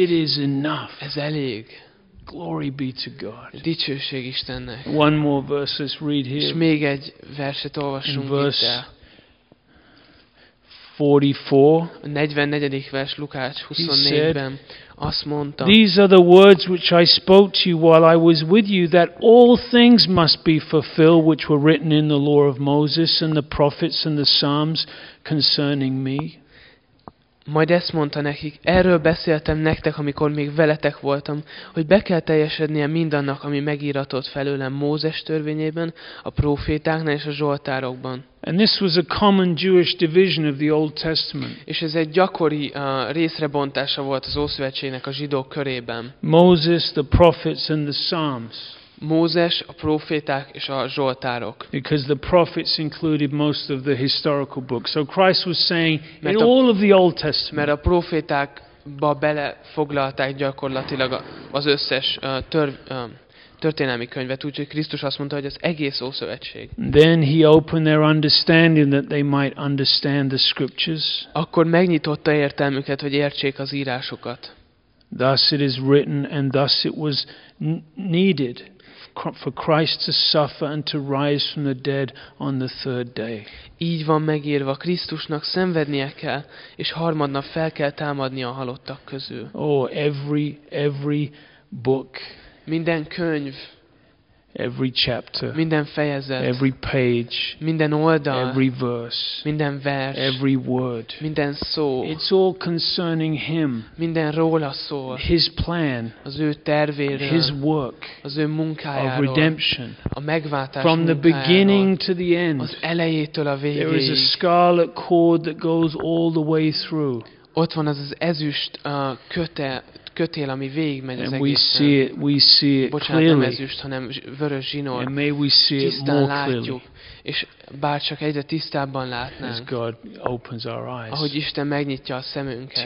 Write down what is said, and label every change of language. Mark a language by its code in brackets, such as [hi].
[en] It is enough. [hu] Ez elég. [en] Glory be to God. [hu] Dicsőség Istennek. [en] One more verse, let's read here. [hu] És még egy verset olvassunk itt. [en] 44. [hu] A 44. vers Lukács 24-ben azt mondta. [en] These are the words which I spoke to you while I was with you, that all things must be fulfilled which were written in the law of Moses and the prophets and the psalms concerning me. [hu] Majd ezt mondta nekik, erről beszéltem nektek, amikor még veletek voltam, hogy be kell teljesednie mindannak, ami megíratott felőlem Mózes törvényében, a prófétáknál és a zsoltárokban. [en] And this was a common Jewish division of the Old Testament. [hu] És ez egy gyakori részrebontása volt az Ószövetségnek a zsidók körében. [en] Moses, the prophets and the psalms. [hu] Mózes, a proféták és a zsoltárok. [en] Because the prophets included most of the historical books. So Christ was saying in all of the Old Testament. [hu] Mert a prófétákba belefoglalták gyakorlatilag az összes történelmi könyvet, úgyhogy Krisztus azt mondta, hogy az egész Ószövetség. [en] Then he opened their understanding that they might understand the scriptures. [hu] Akkor megnyitotta értelmüket, hogy értsék az írásokat. [en] Thus it is written, and thus it was needed for Christ to suffer and to rise from the dead on the third day. [hu] Így van megírva, Krisztusnak szenvednie kell, és harmadnap fel kell támadni a halottak közül. [en] Oh, every book. [hu] Minden könyv. [en] Every chapter. [hu] Minden fejezet. [en] Every page. [hu] Minden oldal. [en] Every verse. [hu] Minden vers. [en] Every word. [hu] Minden szó. [en] It's all concerning him. [hu] Minden róla szól. [en] His plan. [hu] Az ő tervéről. [en] His work. [hu] Az ő munkájáról. [en] Of redemption. [hu] A megváltás [en] from the beginning to the end. [hu] Az elejétől a végéig. [en] There is a scarlet cord that goes all the way through. [hu] Ott van az ezüst kötél, ami végig megy az egészen. [en] We see it [hu] bocsánat, [en] clearly. [hu] Nem ezüst, hanem vörös zsinór. [en] And may we see [hu] tisztán [en] it more [hu] látjuk, [en] clearly. [hu] És bárcsak egyre tisztábban látnánk. [en] As God opens our eyes, [hu] ahogy Isten megnyitja a szemünket.